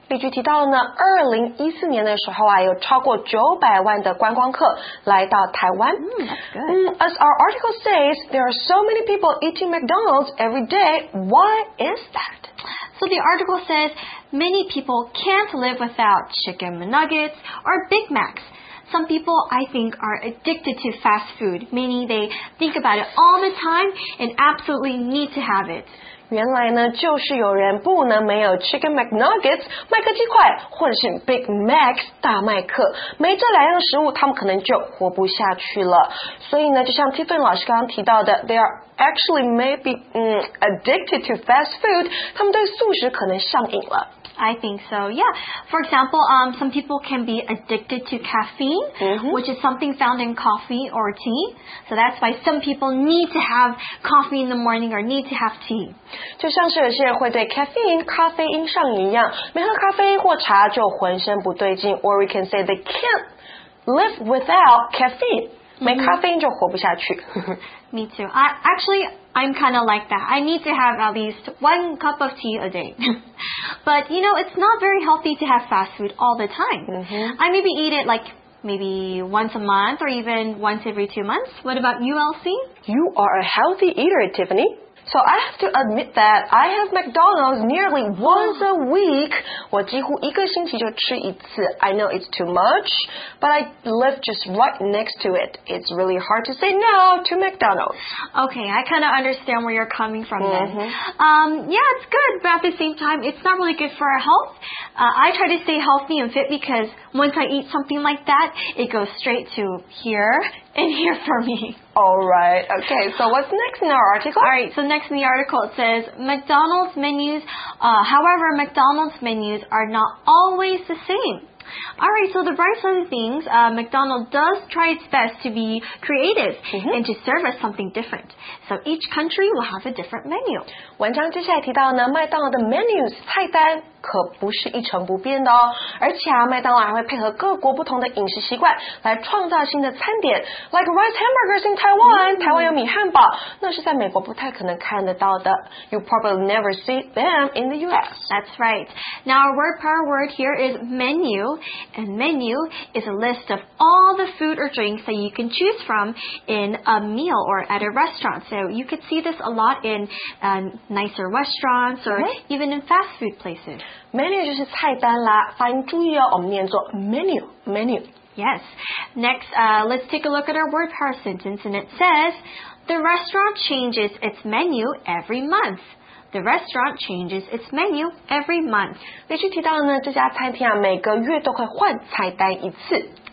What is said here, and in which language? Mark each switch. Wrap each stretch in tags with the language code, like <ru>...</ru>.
<zh>被具提到呢2014年的时候啊有超过900万的观光客来到台湾。</zh> <en>As our article says, there are so many people eating McDonald's every day. Why is that? So the article says, many people can't live without chicken nuggets or Big Macs. Some people, I think, are addicted to fast food, meaning they think about it all the time and absolutely need to have it.</en> <zh>原来呢，就是有人不能没有 Chicken McNuggets 麦克鸡块，或者是 Big Macs 大麦克，没这两样食物，他们可能就活不下去了。所以呢，就像 Tiffany 老师刚刚提到的</zh> <en>，they are actually maybe addicted to fast food.</en> <zh>他们对素食可能上瘾了。</zh> <en>I think so, yeah. For example, some people can be addicted to caffeine, which is something found in coffee or tea. So that's why some people need to have coffee in the morning or need to have tea.</en> <zh>就像是有些人会对 caffeine, 咖啡因上瘾一样，没喝咖啡或茶就浑身不对劲。</zh> <en>Or we can say they can't live without caffeine.</en> <zh>没咖啡因就活不下去。</zh> <en>Me too. I'm kind of like that. I need to have at least one cup of tea a day. But, you know, it's not very healthy to have fast food all the time. I maybe eat it like maybe once a month or even once every 2 months. What about you, Elsie? You are a healthy eater, Tiffany. So I have to admit that I have McDonald's nearly once a week.</en> <zh>我几乎一个星期就吃一次。</zh> <en>I know it's too much, but I live just right next to it. It's really hard to say no to McDonald's. Okay, I kind of understand where you're coming from then. Yeah, it's good, but at the same time, it's not really good for our health. I try to stay healthy and fit because once I eat something like that, it goes straight to here and here for me. All right. Okay, so what's next in our article? All right, so next in the article, it says, McDonald's menus, however, McDonald's menus are not always the same. All right, so the bright side of things, McDonald's does try its best to be creative and to serve us something different. So each country will have a different menu.</en> <zh>文章接下来提到呢，麦当劳的 menus 菜单可不是一成不变的哦，而且啊，麦当劳还会配合各国不同的饮食习惯来创造新的餐点 ，</zh> <en>like rice hamburgers in Taiwan.</en> <zh>台湾有米汉堡，那是在美国不太可能看得到的。</zh> <en>You probably never see them in the U.S. That's right. Now our word power word here is menu, and menu is a list of all the food or drinks that you can choose from in a meal or at a restaurant. So you could see this a lot in nicer restaurants or even in fast food places.</en> <zh>Menu 就是菜单啦，发音注意哦，我们念作 menu, menu.</zh> <en>Yes. Next, let's take a look at our word power sentence, and it says, the restaurant changes its menu every month. The restaurant changes its menu every month.</en> <zh>连续提到了呢，这家餐厅啊，每个月都会换菜单一次。</zh>